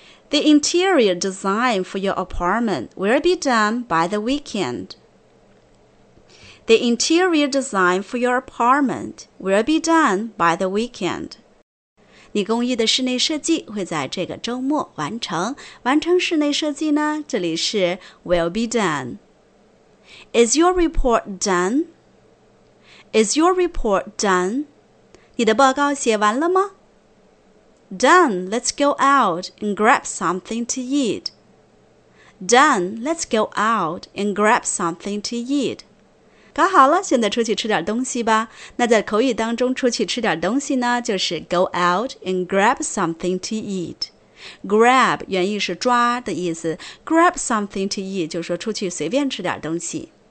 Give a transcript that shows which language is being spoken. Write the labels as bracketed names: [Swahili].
[English] The interior design for your apartment will be done by the weekend. The interior design for your apartment will be done by the weekend. [Chinese] 你公寓的室内设计会在这个周末完成。完成室内设计呢，这里是 [English] will be done. Is your report done? Is your report done? [Chinese] 你的报告写完了吗? [English] Done, let's go out and grab something to eat. Done, let's go out and grab something to eat. [Chinese] 搞好了，现在出去吃点东西吧。那在口语当中出去吃点东西呢，就是 [English] go out and grab something to eat. [Chinese] Grab 原意是抓的意思， [English] grab something to eat [Chinese] 就是说出去随便吃点东西。